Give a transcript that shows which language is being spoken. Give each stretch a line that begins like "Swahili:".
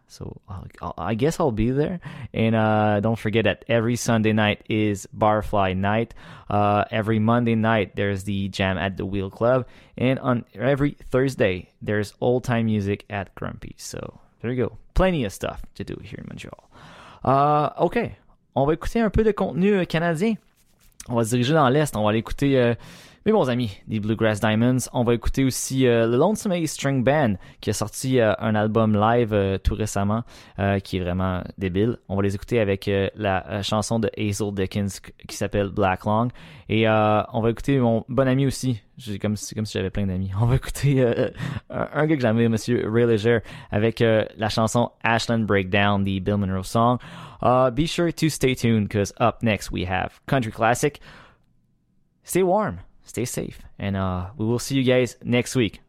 English: So I guess I'll be there. And don't forget that every Sunday night is Barfly Night. Every Monday night, there's the Jam at the Wheel Club. And on every Thursday, there's old-time music at Grumpy. So there you go. Plenty of stuff to do here in Montreal.
French: Okay, on va écouter un peu de contenu canadien. On va se diriger dans l'Est. On va aller écouter... Mes bons amis, des Bluegrass Diamonds, on va écouter aussi le Lonesome Ace String Band qui a sorti un album live tout récemment qui est vraiment débile. On va les écouter avec la chanson de Hazel Dickens qui s'appelle Black Long. Et on va écouter mon bon ami aussi, comme si j'avais plein d'amis. On va écouter un gars que j'aime, Monsieur Ray Leger, avec la chanson Ashland Breakdown,
English: the Bill Monroe song. Be sure to stay tuned because up next we have Country Classic. Stay warm. Stay safe, and we will see you guys next week.